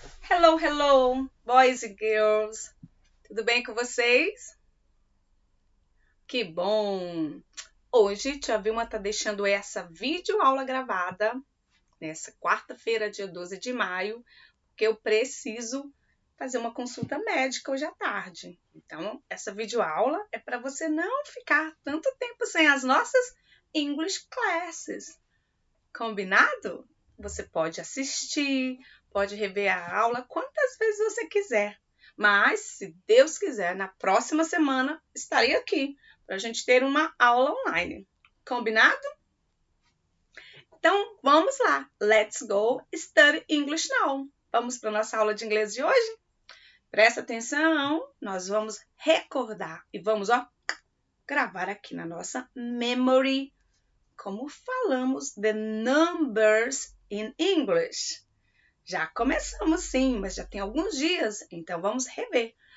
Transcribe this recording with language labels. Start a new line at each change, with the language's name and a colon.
English: Hello, hello, boys and girls.
Portuguese: Tudo bem com vocês? Que bom! Hoje, tia Vilma tá deixando essa videoaula gravada nessa quarta-feira, dia 12 de maio, porque eu preciso fazer uma consulta médica hoje à tarde. Então, essa videoaula é para você não ficar tanto tempo sem as nossas English classes. Combinado? Você pode assistir. Pode rever a aula quantas vezes você quiser. Mas, se Deus quiser, na próxima semana estarei aqui para a gente ter uma aula online. Combinado? Então, vamos lá.
English: Let's go study English now.
Portuguese: Vamos para a nossa aula de inglês de hoje? Presta atenção, nós vamos recordar e vamos, ó, gravar aqui na nossa memory como falamos
English: the numbers in English.
Portuguese: Já começamos, sim, mas já tem alguns dias, então vamos rever.